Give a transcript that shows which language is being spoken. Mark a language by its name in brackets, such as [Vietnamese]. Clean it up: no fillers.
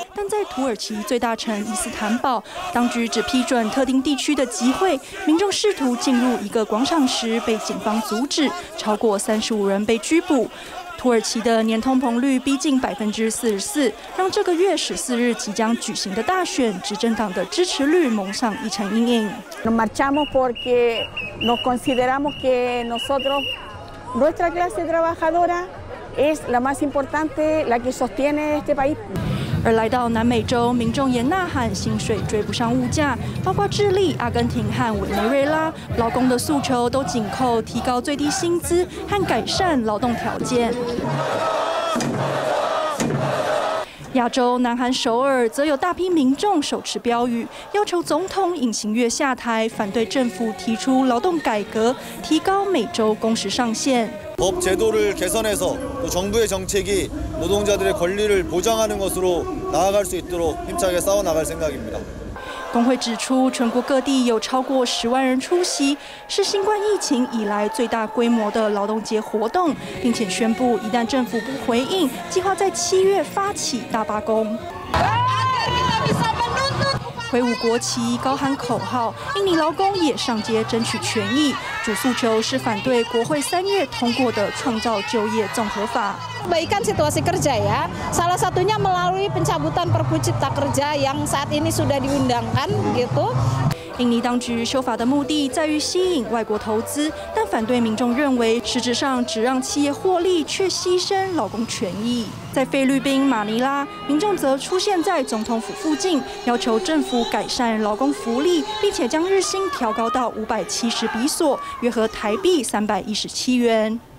[Chinese] 在土耳其最大城伊斯坦堡，当局只批准特定地区的集会，民众试图进入一个广场时被警方阻止，超过35人被拘捕。土耳其的年通膨率逼近44%，让这个月14日即将举行的大选执政党的支持率蒙上一层阴影。 [Spanish] Nos marchamos porque nos consideramos que nosotros nuestra clase trabajadora es la más importante, la que sostiene este país. [Chinese] 而来到南美洲，民众也呐喊薪水追不上物价，包括智利、阿根廷和委内瑞拉，劳工的诉求都紧扣提高最低薪资和改善劳动条件。亚洲南韩首尔则有大批民众手持标语，要求总统尹锡悦下台，反对政府提出劳动改革，提高每周工时上限。 [Korean] 법제도를개선해서정부의정책이노동자들의권리를보장하는것으로나아갈수있도록힘차게싸워나갈생각입니다 [Chinese] 工会指出，全国各地有超过十万人出席，是新冠疫情以来最大规模的劳动节活动，并且宣布，一旦政府不回应，计划在七月发起大罢工。挥舞国旗，高喊口号，印尼劳工也上街争取权益，主诉求是反对国会三月通过的创造就业综合法。 [Indonesian] Perbaikan situasi kerja ya, salah satunya melalui pencabutan Perpu Cipta Kerja yang saat ini sudah diundangkan gitu。 [Chinese] 印尼当局修法的目的在于吸引外国投资，但反对民众认为，实质上只让企业获利，却牺牲劳工权益。在菲律宾马尼拉，民众则出现在总统府附近，要求政府改善劳工福利，并且将日薪调高到570比索，约合台币317元。